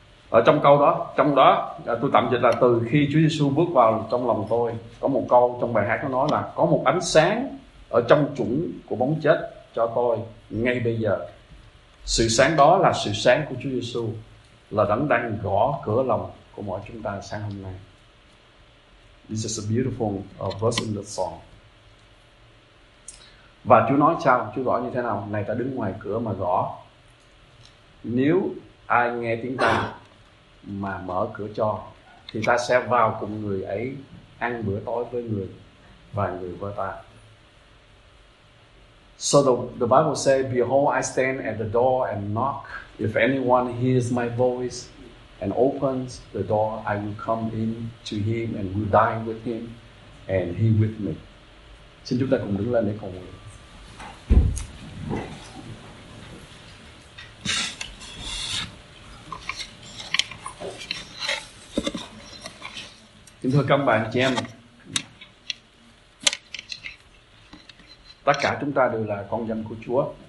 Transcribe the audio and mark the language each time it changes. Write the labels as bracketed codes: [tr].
[vi] Ở trong đó tôi tạm dịch là từ khi Chúa Giêsu bước vào trong lòng tôi, có một câu trong bài hát nó nói là có một ánh sáng ở trong chủng của bóng chết cho tôi ngay bây giờ. Sự sáng đó là sự sáng của Chúa Giêsu, là đấng đang gõ cửa lòng của mọi chúng ta sáng hôm nay. [en] This is a beautiful verse in the song. [vi] Và Chúa nói sao? Chúa gọi như thế nào? Này ta đứng ngoài cửa mà gõ. Nếu ai nghe tiếng ta mà mở cửa cho, thì ta sẽ vào cùng người ấy ăn bữa tối với người và người với ta. [en] So the Bible says, Behold, I stand at the door and knock. If anyone hears my voice and opens the door, I will come in to him and will dine with him and he with me. [vi] Xin chúng ta cùng đứng lên để cầu nguyện. Kính thưa các bạn chị em, tất cả chúng ta đều là con dân của Chúa.